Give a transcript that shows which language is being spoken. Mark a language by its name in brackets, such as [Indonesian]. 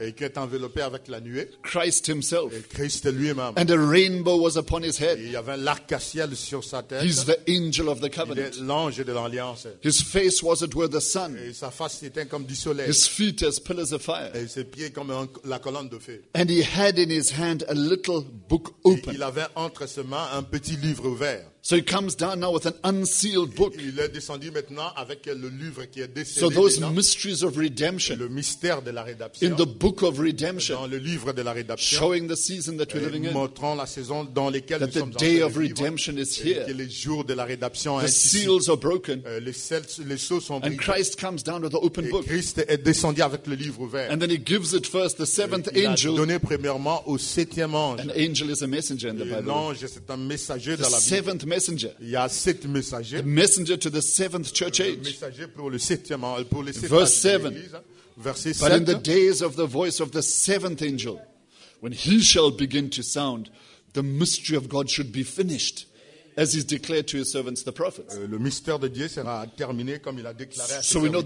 [French] et qui est enveloppé avec la nuée, [English] Christ himself, [French] et Christ lui-même, [English] and a rainbow was upon his head, [French] et il y avait l'arc-en-ciel sur sa tête. [English] He's the angel of the covenant, [French] il est l'ange de l'alliance. [English] His face was it were the sun, [French] et sa face était comme du soleil. [English] His feet as pillars of fire, [French] et ses pieds comme la colonne de feu. [English] And he had in his hand a little book open, [French] et il avait entre ses mains un petit livre ouvert. [English] So he comes down now with an unsealed book. [French] Il est descendu maintenant avec le livre qui est décelé. [English] So those mysteries of redemption. [French] Le mystère de la rédemption. [English] In the book of redemption. [French] Dans le livre de la rédemption. [English] Showing the season that we're living in. [French] Montrant la saison dans laquelle nous sommes. [English] That the day of redemption is here. [French] Que les jours de la rédemption est ici. [English] The seals are broken. [French] Les sceaux sont brisés. [English] And Christ comes down with the open book. [French] Et Christ est descendu avec le livre ouvert. [English] And then he gives it first the seventh angel. [French] Il a donné premièrement au septième ange. [English] An angel is a messenger in the Bible. [French] L'ange c'est un messager dans la Bible. [English] The seventh messenger. [French] Il y a sept messagers. [English] The messenger to the seventh church age. [French] Le messager pour le septième, pour les sept. [English] Verse 7. [French] Verset 7. [English] But in the days of the voice of the seventh angel, when he shall begin to sound, the mystery of God should be finished, as he's declared to his servants the prophets. [French] Le mystère de Dieu sera terminé comme il a déclaré à ses serviteurs.